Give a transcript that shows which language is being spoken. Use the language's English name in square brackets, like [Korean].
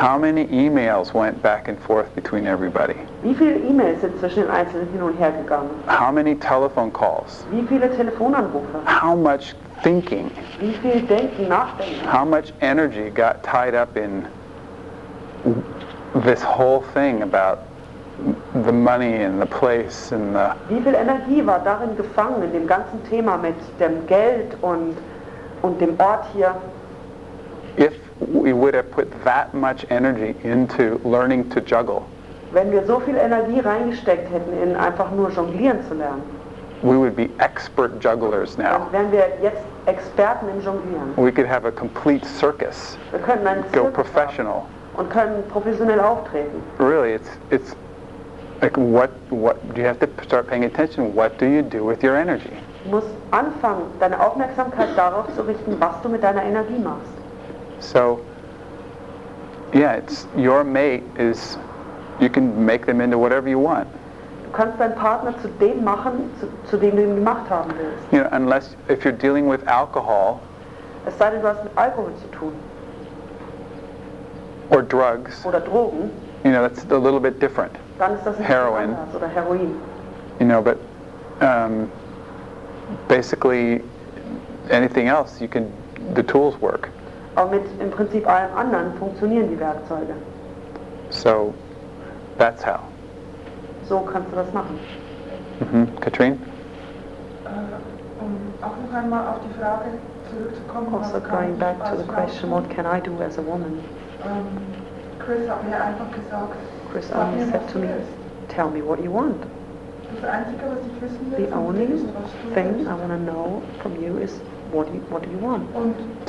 [English] How many emails went back and forth between everybody? [German] Wie viele E-Mails sind zwischen den Einzelnen hin und her gegangen? [English] How many telephone calls? [German] Wie viele Telefonanrufe? [English] How much thinking? [German] Wie viel Denken, Nachdenken? [English] How much energy got tied up in this whole thing about the money and the place and the. [German] Wie viel Energie war darin gefangen in dem ganzen Thema mit dem Geld und dem Ort hier? [English] If we would have put that much energy into learning to juggle. [German] Wenn wir so viel Energie reingesteckt hätten in einfach nur jonglieren zu lernen. [English] We would be expert jugglers now. [German] Dann wären wir jetzt Experten im Jonglieren. [English] We could have a complete circus. [German] Wir könnten einen Zirkus [English] go professional. [German] Und können professionell auftreten. [English] Really, it's. Like what do you have to start paying attention? What do you do with your energy? [German] Du musst anfangen, deine Aufmerksamkeit darauf zu richten, was du mit deiner Energie machst. [English] So, yeah, it's your mate is, you can make them into whatever you want. [German] Du kannst deinen Partner zu dem machen, zu dem du ihn gemacht haben willst. [English] You know, unless, if you're dealing with alcohol. [German] Es sei denn, du hast mit Alkohol zu tun. [English] Or drugs. [German] Oder Drogen. [English] You know, that's a little bit different. [German] Dann ist das nicht [English] heroin. [German] Anders, oder heroin. [English] You know, but basically anything else, you can, the tools work. [German] Aber mit im Prinzip allem anderen funktionieren die Werkzeuge. [English] So, that's how. [German] So kannst du das machen. [English] Mm-hmm. Katrin? [German] Um auch noch einmal auf die Frage zurückzukommen. [English] Also going back to the question, what can I do as a woman? [German] Chris hat mir einfach gesagt, [English] Chris only said to me, tell me what you want. The only thing I want to know from you is what do you want?